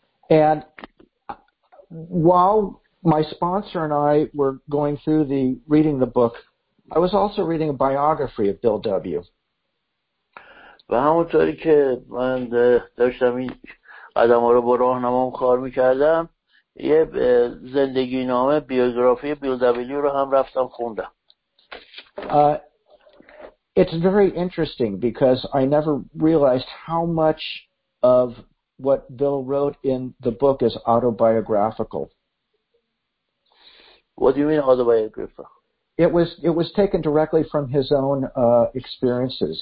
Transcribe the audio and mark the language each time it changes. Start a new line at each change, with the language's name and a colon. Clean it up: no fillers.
English: And while my sponsor and I were going through the reading the book, I was also reading a biography of Bill W.
Persian: و همونطوری که من داشتم این قدم ها رو با راه نمام کار میکردم یه زندگی نامه بیوگرافی بیل دبلیو رو هم رفتم خوندم.
English: It's very interesting because I never realized how much of what Bill wrote in the book is autobiographical. What do you mean autobiographical? It was taken directly from his own experiences.